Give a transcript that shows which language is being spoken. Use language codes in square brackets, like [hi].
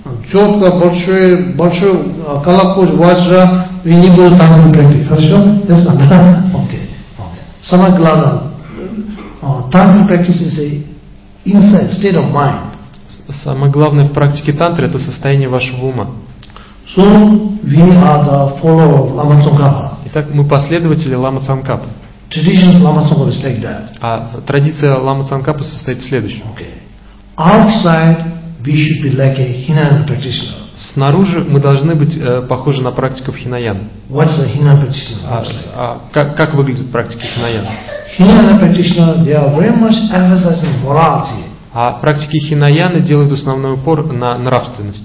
[ru] Четко, большой колокольчик, ваджра, и не будет тантры практик. Хорошо? Ясно, да? Окей. Самое главное. [en] Tantra practice is a inside state of mind. [ru] Самое главное в практике тантры это состояние вашего ума. [en] So we are the follower of Lama Tsongkhapa. [ru] Итак, мы последователи Лама Цанкапа. [en] Tradition of Lama Tsongkhapa is like that. [ru] А традиция Лама Цанкапа состоит в следующем. [en] Okay. Outside we should be like a Hinayana practitioner. [ru] Снаружи мы должны быть похожи на практиков Хинаяна. [en] What's a Hinayana practitioner? [ru] Как выглядят практики Хинаяна? [en] Hinayana practitioners, they are very much emphasizing morality. [ru] А практики Хинаяны делают основной упор на нравственность.